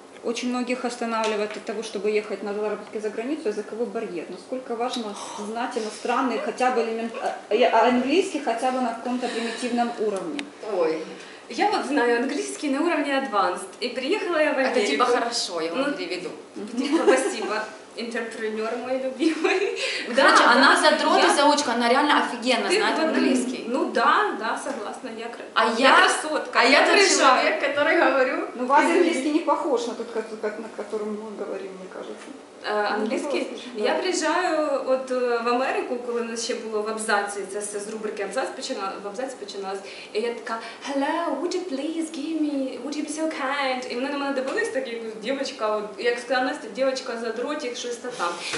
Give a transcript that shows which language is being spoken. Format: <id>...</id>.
<ru>очень многих останавливает от того, чтобы ехать на заработки за границу, языковой барьер. Насколько важно знать иностранный, хотя бы английский, хотя бы на каком-то примитивном уровне. Ой. Я вот знаю английский на уровне advanced, и приехала я в Америку. Это типа хорошо, я вам переведу. Типа, спасибо, интерпренер мой любимый. Короче, да, она задрот и заучка, она реально офигенно знает английский. Ну да, да, согласна, я красотка. А я тот человек, который говорю. Ну, ваш английский не похож на тот, на котором мы говорим, мне кажется.</ru> <uk>Англійський. Ну, я приїжджаю от в Америку, коли у нас ще було в абзаці, це все з рубрики абзац починалось, в абзаці починалось, і я така,</uk> <en>hello, would you please give me, would you be so kind?</en> <uk>І вони на мене дивились, такі, дівчинка, як сказала Настя, дівчинка задротик, щось там.</uk>